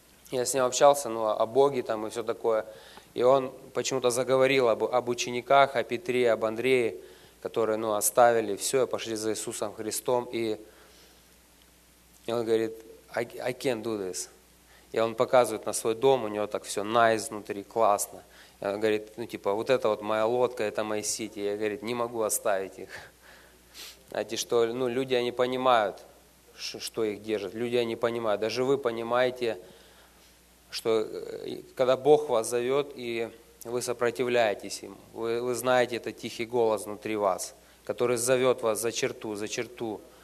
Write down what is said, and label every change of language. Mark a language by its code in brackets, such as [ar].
[ru] Я с ним общался, о Боге там и все такое. И он почему-то заговорил об учениках, о Петре, об Андрее, которые оставили все и пошли за Иисусом Христом. И он говорит, [en] I can't do this. [ru] И он показывает на свой дом, у него так все nice внутри, классно. И он говорит, вот это вот моя лодка, это мои сети. Я, говорит, не могу оставить их. Знаете, что люди, они понимают, что их держит. Люди, они понимают. Даже вы понимаете, что когда Бог вас зовет, и вы сопротивляетесь Ему, вы знаете этот тихий голос внутри вас, который зовет вас за черту.